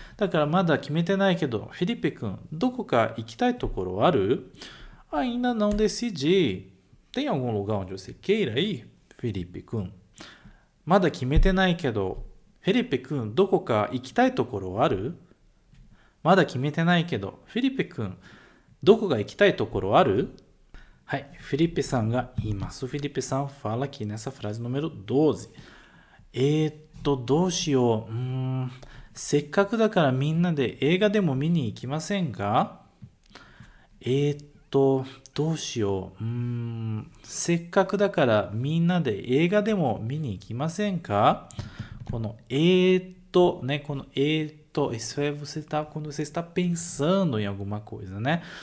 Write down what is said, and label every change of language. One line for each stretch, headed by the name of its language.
Japanese: だから、まだ決めてないけど、フィリッペ君、どこか行きたいところある？
Portuguese: Ainda não decidi. Tem algum lugar onde você queira ir?
Japanese: フィリッペ君。まだ決めてないけど、フィリッペ君、どこか行きたいところある？まだ決めてないけど、フィリッペ君、どこか行きたいところある？はい、フィリッペさんが言います。
Portuguese: フィリッペさん、fala aqui nessa frase número 12。
Japanese: どうしよう。せっかくだからみんなで映画でも見に行きませんか？どうしよう。せっかくだからみんなで映画でも見に行きませんか？この、ね、この、
Portuguese: isso é você tá, quando você está pensando em alguma coisa, né?